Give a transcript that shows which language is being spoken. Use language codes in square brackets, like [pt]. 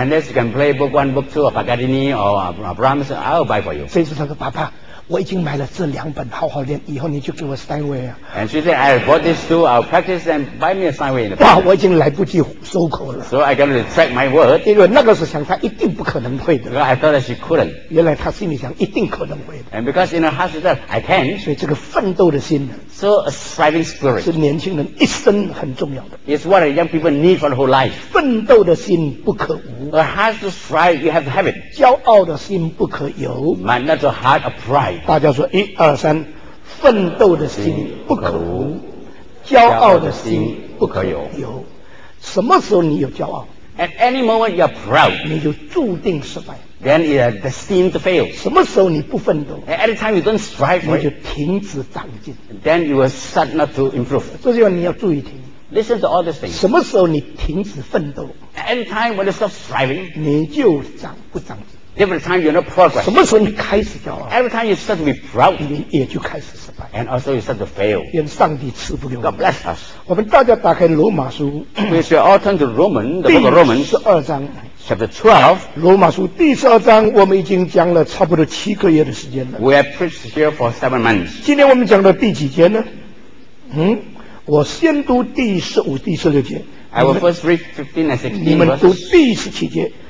[en] Unless you can play Book 1 Book 2 or Paganini or Brahms, I'll buy for you. [zh] 所以说他说爸爸我已经买了这两本，好好练，以后你就给我 Steinway 啊。 [en] And she said, I bought these two. I'll practice and buy me a Steinway in the past. [zh] 哇，我已经来不及收口了。 [en] So I got to retract my word. [zh] 因为那个时候想，他一定不可能会的。 [en] Because I thought that she couldn't. [zh] 原来他心里想，一定可能会的。 [en] And because in her heart she said, I can. [zh] 所以这个奋斗的心。 [en] So a striving spirit [zh] 是年轻人一生很重要的。 [en] It's what young people need for the whole life. [zh] 奋斗的心不可无。 [en] A heart to strive, you have to have it. [zh] 骄傲的心不可有。 [en] Man, that's a heart of pride. [zh] 大家说一二三，奋斗的心不可无，骄傲的心不可有。什么时候你有骄傲 [en] ？At any moment you're proud. [zh] 你就注定失败。 [en] Then you are destined to fail. [zh] 什么时候你不奋斗 [en] ？At any time you don't strive for it. [zh] 你就停止长进。 [en] Then you will start not to improve. [zh] 这句话你要注意听。 [en] Listen to all these things. [zh] 什么时候你停止奋斗 [en] ？At any time when you stop striving. [zh] 你就长不长进。 [en] Every time you're not progress. [zh] 什么时候你开始骄傲 [en] ？Every time you start to be proud. [zh] 你也就开始失败。 [en] And also you start to fail. [zh] 愿上帝赐福给我们。 [en] God bless us. [zh] 我们大家打开罗马书。 [en] We shall all turn to Romans, the book of Romans. [zh] 第十二章。 [en] Chapter 12. [zh] 罗马书第十二章，我们已经讲了差不多七个月的时间了。 [en] We have preached here for 7 months. [zh] 今天我们讲到第几节呢？我先读第十五、第十六节。 [en] I will first read 15 and 16. [zh] 你们读第十七节。